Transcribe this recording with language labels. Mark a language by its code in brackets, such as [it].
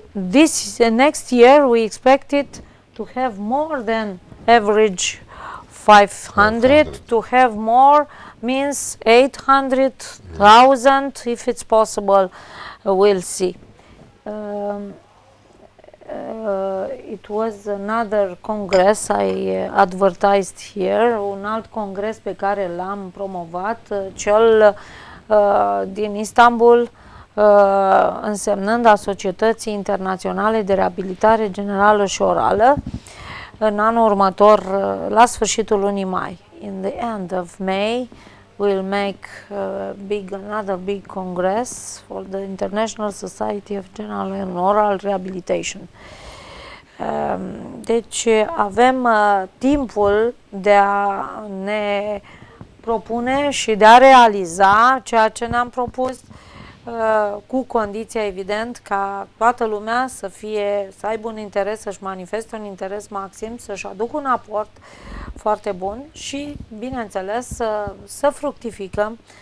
[en] This next year we expected to have more than average 500, to have more means 800,000, if it's possible, we'll see. It was another congress I advertised here, [ro] un alt congres pe care l-am promovat, cel din Istanbul, însemnând a Societății Internaționale de Reabilitare Generală și Orală, în anul următor, la sfârșitul lunii mai. [en] In the end of May, we'll make another big congress for the International Society of General and Oral Rehabilitation. [ro] Deci avem timpul de a ne propune și de a realiza ceea ce ne-am propus, cu condiția evident ca toată lumea să fie, să aibă un interes, să-și manifeste un interes maxim, să-și aducă un aport foarte bun și, bineînțeles, să fructificăm